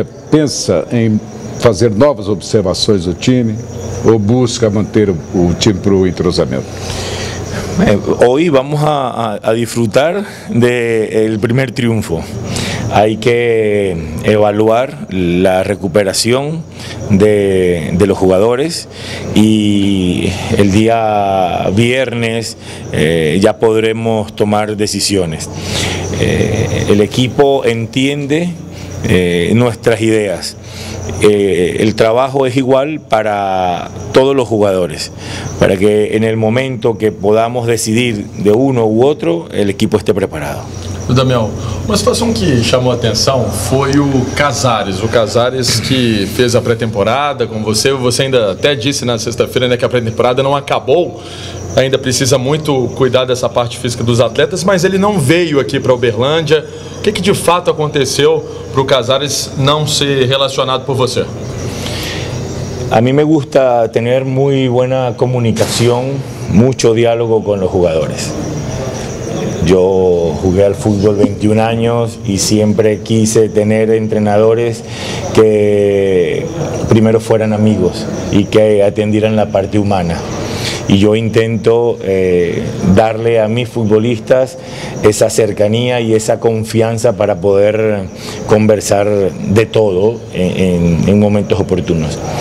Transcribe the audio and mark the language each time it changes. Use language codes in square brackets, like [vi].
[pt] Pensa em fazer novas observações do time ou busca manter o time para o entrosamento? [es] Hoy vamos a disfrutar del primer triunfo. Hay que evaluar la recuperación de los jugadores y el día viernes ya podremos tomar decisiones. El equipo entiende nuestras ideas. El trabajo es igual para todos los jugadores, para que en el momento que podamos decidir de uno u otro, el equipo esté preparado. [pt] Damião, uma situação que chamou a atenção foi o Casares. O Casares que fez a pré-temporada com você. Você ainda até disse na sexta-feira, né, que a pré-temporada não acabou. Ainda precisa muito cuidar dessa parte física dos atletas, mas ele não veio aqui para a Uberlândia. O que, que de fato aconteceu para o Casares não ser relacionado por você? A mim [es] me gusta [pt] ter muito boa comunicação, muito diálogo com os jugadores. [es] Yo jugué al fútbol 21 años y siempre quise tener entrenadores que primero fueran amigos y que atendieran la parte humana. Y yo intento darle a mis futbolistas esa cercanía y esa confianza para poder conversar de todo en momentos oportunos.